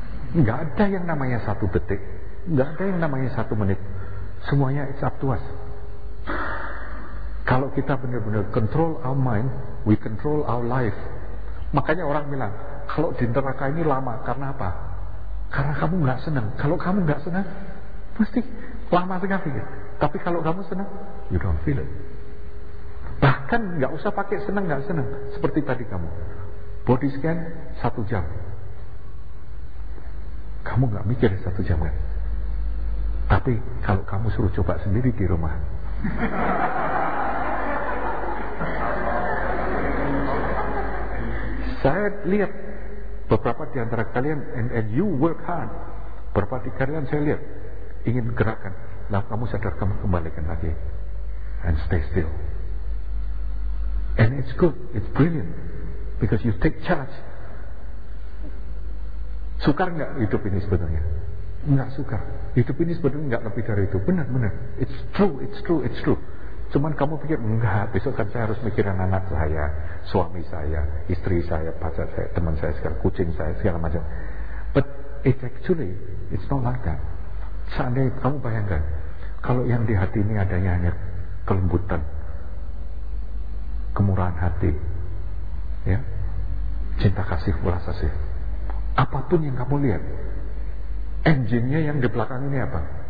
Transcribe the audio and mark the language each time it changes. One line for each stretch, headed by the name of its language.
Indonesian: Enggak ada yang namanya 1 detik, enggak ada yang namanya 1 menit. Semuanya
English: it's up to us.
Indonesian: Kalau kita benar-benar
English: control our mind, we control our life.
Indonesian: Makanya orang bilang, kalau di neraka ini lama, karena apa? Karena kamu enggak senang. Kalau kamu enggak senang, pasti lama sekali. Tapi kalau kamu senang,
English: you don't feel it.
Indonesian: Bahkan enggak usah pakai senang enggak senang, seperti tadi kamu. Body scan 1 jam. Kamu enggak mikir 1 jam kan? Tapi kalau kamu suruh coba sendiri di rumah. Saya lihat beberapa di antara kalian
English: and you work hard.
Indonesian: Beberapa di kalian saya lihat ingin gerakan. Lalu kamu sadar kamu kembalikan lagi
English: and stay still. And it's good, it's brilliant because you take charge.
Indonesian: Sukar enggak hidup ini sebenarnya? Enggak sukar. Hidup ini sebenarnya enggak lebih dari itu. Benar, benar.
English: It's true, it's true, it's true.
Indonesian: Cuman kamu pikir, enggak, besok kan saya harus mikirin anak saya, suami saya, istri saya, pacar saya, teman saya segala, kucing saya, segala macam.
English: But it actually, it's not like that.
Indonesian: Seandainya kamu bayangkan, kalau yang di hati ini adanya hanya kelembutan, kemurahan hati, ya, cinta kasih, belas kasih. Apapun yang kamu lihat, engine-nya yang di belakang ini apa?